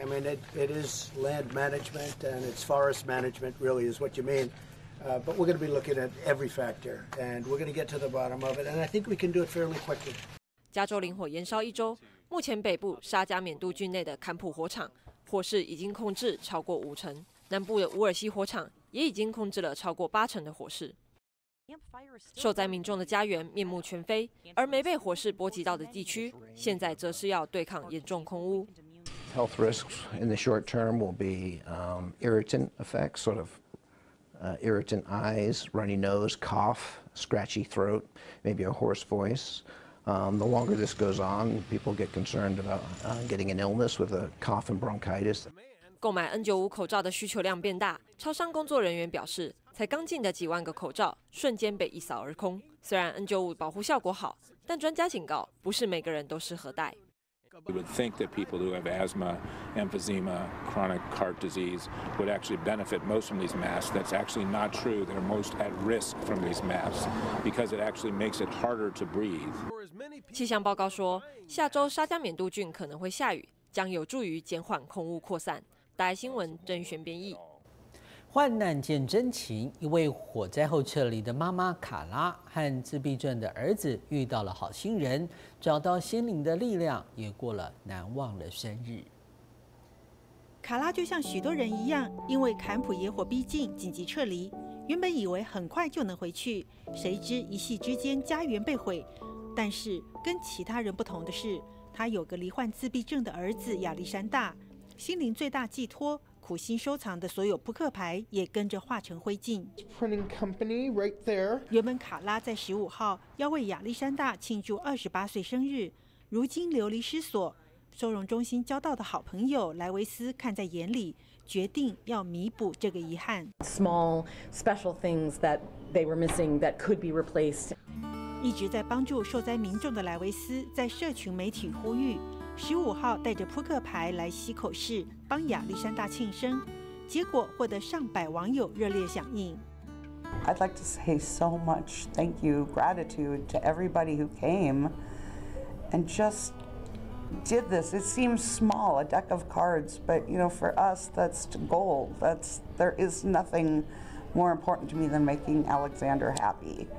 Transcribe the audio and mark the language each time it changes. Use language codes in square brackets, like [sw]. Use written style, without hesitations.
[en] I mean, it is land management and it's forest management, really, is what you mean. But we're going to be looking at every factor and we're going to get to the bottom of it. And I think we can do it fairly quickly. [zh] 加州林火延烧一周，目前北部沙加缅度郡内的坎普火场火势已经控制超过50%，南部的乌尔西火场也已经控制了超过80%的火势。受灾民众的家园面目全非，而没被火势波及到的地区，现在则是要对抗严重空污。 [en] Health risks in the short term will be irritant effects, sort of irritant eyes, runny nose, cough, scratchy throat, maybe a hoarse voice. The longer this goes on, people get concerned about getting an illness with a cough and bronchitis. [zh] 购买 N95 口罩的需求量变大，超商工作人员表示，才刚进的几万个口罩瞬间被一扫而空。虽然 N95 保护效果好，但专家警告，不是每个人都适合戴。 [en] We would think that people who have asthma, emphysema, chronic heart disease would actually benefit most from these masks. That's actually not true. They're most at risk from these masks because it actually makes it harder to breathe. [zh] 气象报告说，下周沙加缅度郡可能会下雨，将有助于减缓空污扩散。大新闻，郑玄编译。患难见真情，一位火灾后撤离的妈妈卡拉和自闭症的儿子遇到了好心人，找到心灵的力量，也过了难忘的生日。卡拉就像许多人一样，因为坎普野火逼近，紧急撤离。原本以为很快就能回去，谁知一夕之间家园被毁。但是跟其他人不同的是，他有个罹患自闭症的儿子亚历山大，心灵最大寄托，苦心收藏的所有扑克牌也跟着化成灰烬。 [en] Printing company right there。 [zh] 原本卡拉在15号要为亚历山大庆祝28岁生日，如今流离失所。收容中心交到的好朋友莱维斯看在眼里，决定要弥补这个遗憾。 [en] Small special things that they were missing that could be replaced。 [zh] 一直在帮助受灾民众的莱维斯在社群媒体呼吁，15号带着扑克牌来溪口市帮亚历山大庆生，结果获得上百网友热烈响应。 [en] I'd like to say so much thank you, gratitude to everybody who came and just did this. It seems small, a deck of cards, but you know, for us, that's gold. That's there is nothing more important to me than making Alexander happy.